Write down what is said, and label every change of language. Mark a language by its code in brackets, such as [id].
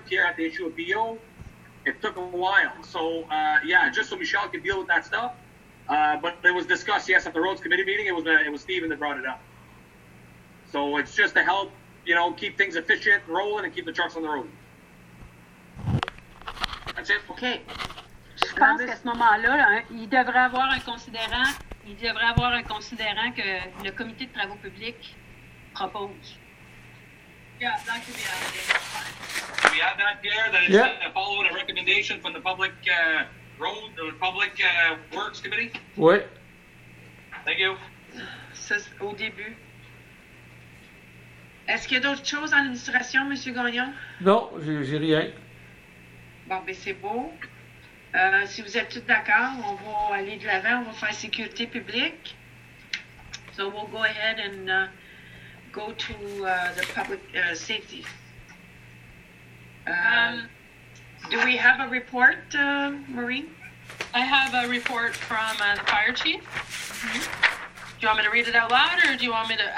[en] Pierre had to issue a PO. It took a while. So, just so Michelle could deal with that stuff. But it was discussed, yes, at the Roads Committee meeting. It was Stephen that brought it up. So it's just to help, you know, keep things efficient, rolling, and keep the trucks on the road. OK. [fr] Je pense qu'à ce moment-là, il devrait avoir un considérant. Il devrait avoir un considérant que le comité de travaux publics propose. [en] Yeah, that could be added. We have that, Pierre, that is following a recommendation from the public public works committee. [fr] Oui. [en] Thank you. [fr] Ça, au début. Est-ce qu'il y a d'autres choses en administration, M. Gagnon? Non, j'ai rien. Bon, bien, c'est beau. Si vous êtes tous d'accord, on va aller de l'avant. On va faire sécurité publique. [en] So we'll go ahead and go to the public safety. Do we have a report, Maureen? I have a report from the fire chief. Do you want me to read it out loud, or do you want me to...